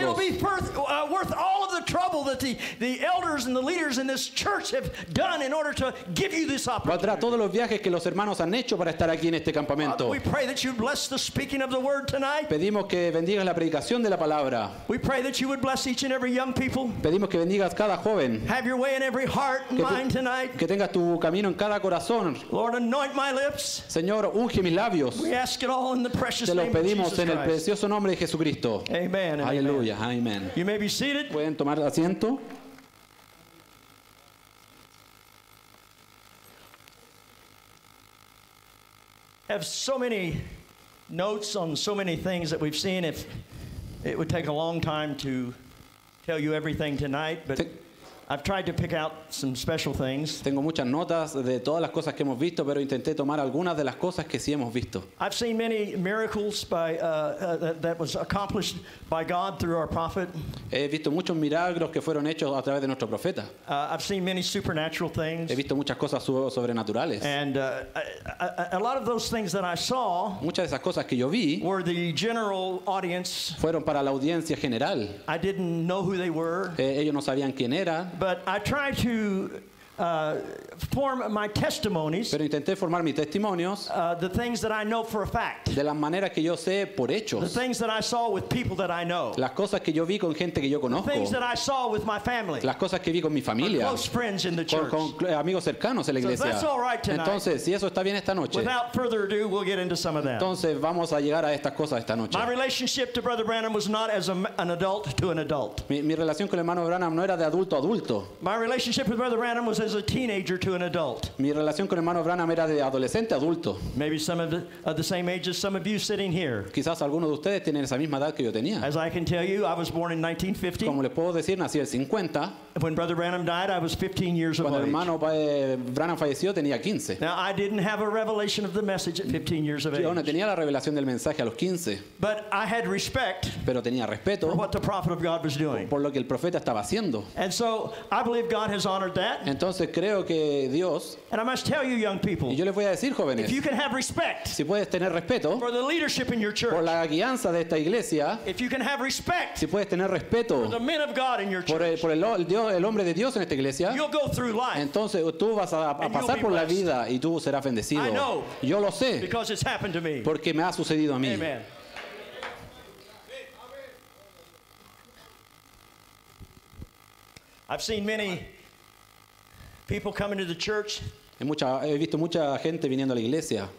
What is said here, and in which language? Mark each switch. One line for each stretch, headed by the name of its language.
English: It'll be worth all of the trouble that the elders and the leaders in this church have done in order to give you this opportunity.
Spanish: Valdrá todos los viajes que los hermanos han hecho para estar aquí en este campamento.
English: We pray that you bless the speaking of the word tonight.
Spanish: Pedimos que bendigas la predicación de la palabra.
English: We pray that you would bless each and every young people.
Spanish: Pedimos que bendigas cada joven.
English: Have your way in every heart and mind tonight.
Spanish: Que tengas tu camino en cada corazón.
English: Lord, anoint my lips.
Spanish: Señor, unge mis labios.
English: We ask it all in the precious name of
Spanish: Jesus. En el precioso nombre de Jesucristo.
English: Amen.
Spanish: Aleluya. Amen.
English: You may be seated.
Spanish: Pueden tomar asiento.
English: Have so many notes on so many things that we've seen. If it would take a long time to tell you everything tonight, but I've tried to pick out some special things.
Spanish: Tengo muchas notas de todas las cosas que hemos visto, pero intenté tomar algunas de las cosas que sí hemos visto.
English: I've seen many miracles that was accomplished by God through our prophet.
Spanish: He visto muchos milagros que fueron hechos a través de nuestro profeta.
English: I've seen many supernatural things.
Spanish: He visto muchas cosas sobrenaturales.
English: And a lot of those things that I saw,
Spanish: muchas de esas cosas que yo vi,
English: were the general audience.
Spanish: Fueron para la audiencia general.
English: I didn't know who they were.
Spanish: Ellos no sabían quién era.
English: But I try to form my testimonies.
Spanish: Pero intenté formar mis testimonios.
English: The things that I know for a fact.
Spanish: De las maneras que yo sé por hechos.
English: The things that I saw with people that I know.
Spanish: Las cosas que yo vi con gente que yo conozco.
English: The things that I saw with my family.
Spanish: Las cosas que vi con mi familia.
English: Close friends in the church.
Spanish: Con amigos cercanos en la iglesia.
English: So that's all right tonight.
Spanish: Entonces, si eso está bien esta noche.
English: Without further ado, we'll get into some of that.
Spanish: Entonces, vamos a llegar a estas cosas esta noche.
English: My relationship to Brother Branham was not as an adult to an adult.
Spanish: Mi relación con el hermano Branham no era de adulto a adulto.
English: My relationship with Brother Branham was as a teenager to an adult.
Spanish: Mi relación con hermano Branham era de adolescente a adulto.
English: Maybe some of the same age as some of you sitting here.
Spanish: Quizás alguno de ustedes tiene esa misma edad que yo tenía.
English: As I can tell you, I was born in 1950.
Spanish: Como les puedo decir, nací en 50.
English: When Brother Branham died, I was 15 years
Spanish: old. Cuando el hermano Branham falleció, tenía 15.
English: Now I didn't have a revelation of the message at 15 years of age.
Spanish: Yo no tenía la revelación del mensaje a los 15.
English: But I had respect.
Spanish: Pero tenía respeto.
English: For what the prophet of God was doing.
Spanish: Por lo que el profeta estaba haciendo.
English: And so I believe God has honored that.
Spanish: Entonces creo que Dios.
English: And I must tell you, young people.
Spanish: Y yo les voy a decir, jóvenes.
English: If you can have respect.
Spanish: Si puedes tener respeto.
English: For the leadership in your church.
Spanish: Por la guianza de esta iglesia.
English: If you can have respect.
Spanish: Si puedes tener respeto.
English: For the men of God in your church.
Spanish: Por el hombre de Dios en esta iglesia.
English: You'll go through life.
Spanish: Entonces tú vas a pasar por la vida y tú serás bendecido.
English: I know.
Spanish: Yo lo sé.
English: Because it's happened to me.
Spanish: Porque me ha sucedido a mí.
English: Amen. I've seen many people come into the church.
Spanish: He visto mucha gente viniendo a la iglesia.